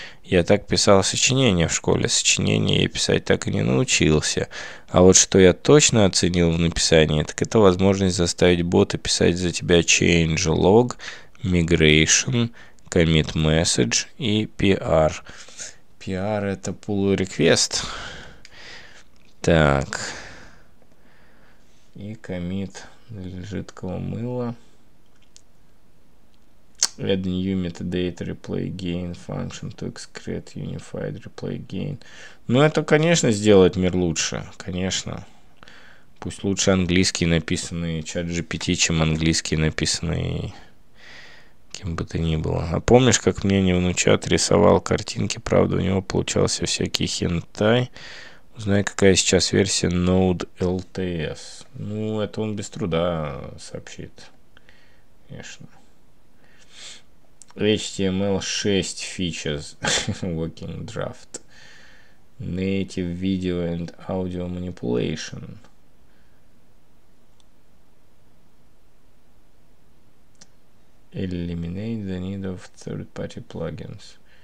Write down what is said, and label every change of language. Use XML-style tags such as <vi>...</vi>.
<ru>Я так писал сочинение в школе, сочинение я писать так и не научился. А вот что я точно оценил в написании, так это возможность заставить бота писать за тебя change log, migration, commit message и PR. PR это pull request. Так. И commit для жидкого мыла.</ru> <en>Add new metadata replay gain function to excrete unified replay gain.</en> <ru>Ну, это, конечно, сделает мир лучше. Конечно. Пусть лучше английский написанный ChatGPT, чем английский написанный кем бы то ни было. А помнишь, как мне не внучат рисовал картинки? Правда, у него получался всякий хентай. Узнай, какая сейчас версия Node LTS. Ну, это он без труда сообщит. Конечно.</ru> <en>HTML6 features working draft. Native video and audio manipulation. Eliminate the need of third-party plugins.</en>